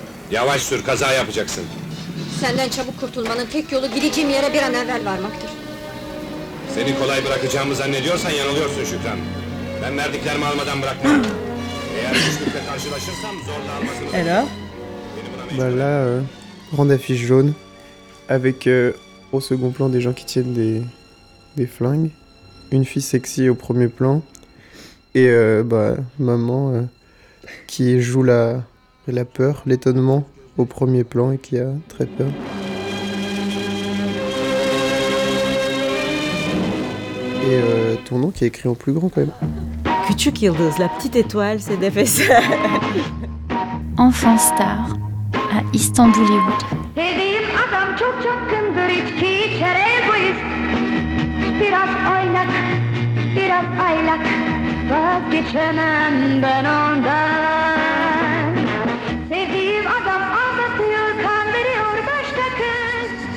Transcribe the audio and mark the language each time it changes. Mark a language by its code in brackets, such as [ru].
[tr] Yavaş sür, kaza yapacaksın. Senden çabuk kurtulmanın tek yolu gideceğim yere bir an evvel varmaktır. Seni kolay bırakacağımı zannediyorsan yanılıyorsun Şükran. Ben verdiklerimi almadan bırakmam. [fr] Elle est là. Voilà, grande affiche jaune, avec au second plan des gens qui tiennent des flingues, une fille sexy au premier plan, et maman qui joue la peur, l'étonnement au premier plan et qui a très peur. Et ton nom qui est écrit en plus grand quand même. Küçük Yıldız, la petite étoile, c'est DFS. Enfant star à Istanbul. [tr] Dediğim adam çok çapkındır, içki içer egoist. Biraz oynak, biraz aylak, vazgeçemem ben ondan. Sevdiğim adam aldatıyor, kandırıyor baş takız.